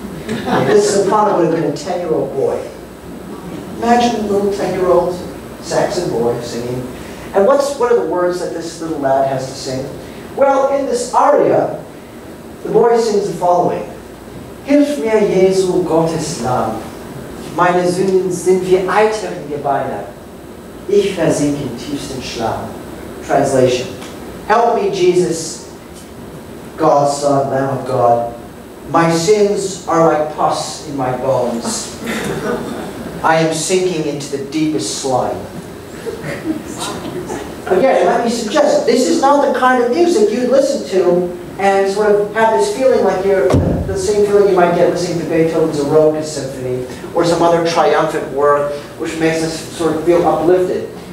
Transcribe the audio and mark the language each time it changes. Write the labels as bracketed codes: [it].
[en] This soprano would have been a 10-year-old boy. Imagine a little 10-year-old Saxon boy singing. And what are the words that this little lad has to sing? Well, in this aria, the boy sings the following. [de] Hilf mir, Jesu Gottes Lamm. Meine Sünden sind wie eiternde Gebeine. Ich versink in tiefsten Schlamm. [en] Translation. Help me, Jesus, God's Son, Lamb of God. My sins are like pus in my bones. I am sinking into the deepest slime. Again, let me suggest, this is not the kind of music you'd listen to and sort of have this feeling like you're the same feeling you might get listening to Beethoven's Eroica Symphony or some other triumphant work which makes us sort of feel uplifted.